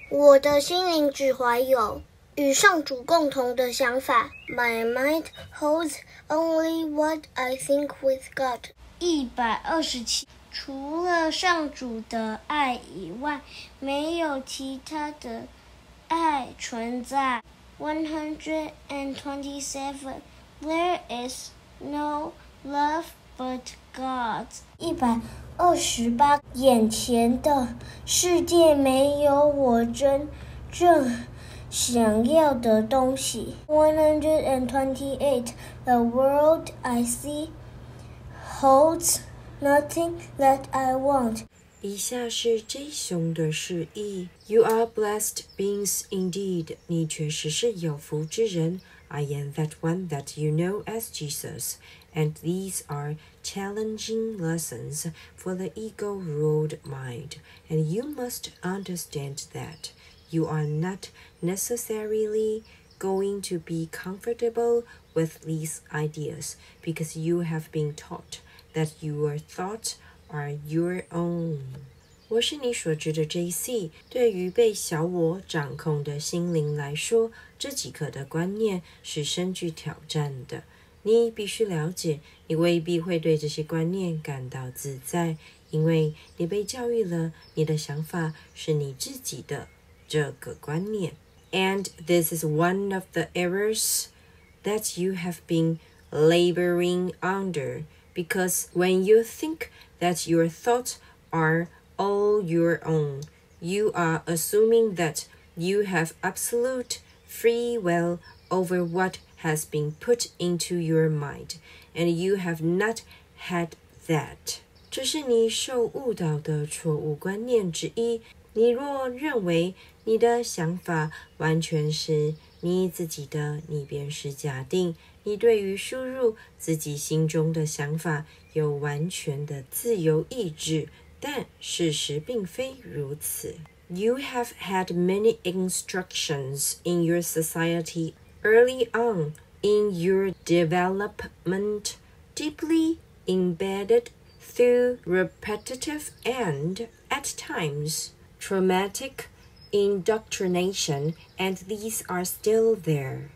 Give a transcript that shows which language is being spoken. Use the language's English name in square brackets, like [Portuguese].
[Chinese] 我的心灵只怀有与上主共同的想法。 [English] My mind holds only what I think with God。 [Chinese] 127，除了上主的爱以外，没有其他的爱存在。 [English] 127. There is no love but God. 128. [Chinese] 眼前的世界没有我真正想要的东西。 128. [English] The world I see holds nothing that I want. [Chinese] 以下是这熊的释义。 [English] You are blessed beings indeed. [Chinese] 你确实是有福之人。 [English] I am that one that you know as Jesus. And these are challenging lessons for the ego-ruled mind. And you must understand that. You are not necessarily going to be comfortable with these ideas because you have been taught that your thoughtsare your own. [Chinese] 我是你所知的 JC。对于被小我掌控的心灵来说，这几课的观念是深具挑战的。你必须了解，你未必会对这些观念感到自在，因为你被教育了你的想法是你自己的这个观念。 [English] And this is one of the errors that you have been laboring under, because when you thinkthat your thoughts are all your own. You are assuming that you have absolute free will over what has been put into your mind, and you have not had that. [Chinese] 这是你受误导的错误观念之一。你若认为你的想法完全是你自己的，你便是假定你对于输入自己心中的想法有完全的自由意志，但事实并非如此。 [English] You have had many instructions in your society early on in your development, deeply embedded through repetitive and, at times, traumaticindoctrination, and these are still there.